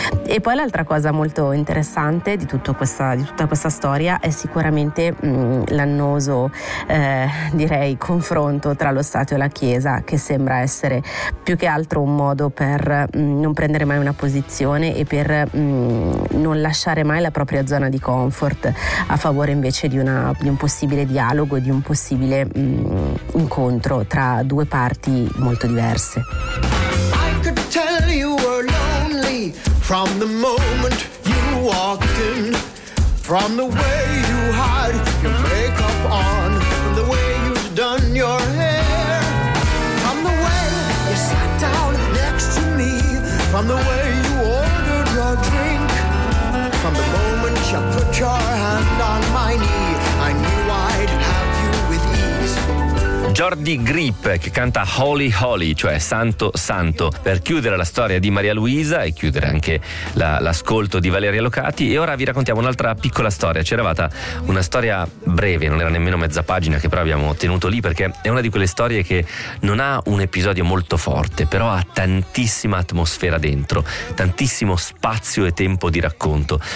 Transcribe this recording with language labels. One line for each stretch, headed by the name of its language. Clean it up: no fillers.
Italian: E poi l'altra cosa molto interessante di tutta questa storia è sicuramente l'annoso direi confronto tra lo Stato e la Chiesa, che sembra essere più che altro un modo per non prendere mai una posizione e per non lasciare mai la propria zona di comfort a favore invece di un possibile dialogo, di un possibile incontro tra due parti molto diverse.
English: I could tell you were lonely from the moment you walked in, from the way you had your makeup on, from the way you'd done your hair, from the way you sat down next to me, from the way you ordered your drink, from the moment you put your hand on my knee, I knew I'd have you with ease.
Italian: Jordi Grip, che canta Holy Holy, cioè Santo Santo, per chiudere la storia di Maria Luisa e chiudere anche l'ascolto di Valeria Locati. E ora vi raccontiamo un'altra piccola storia. C'è arrivata una storia breve, non era nemmeno mezza pagina, che però abbiamo tenuto lì perché è una di quelle storie che non ha un episodio molto forte, però ha tantissima atmosfera dentro, tantissimo spazio e tempo di racconto.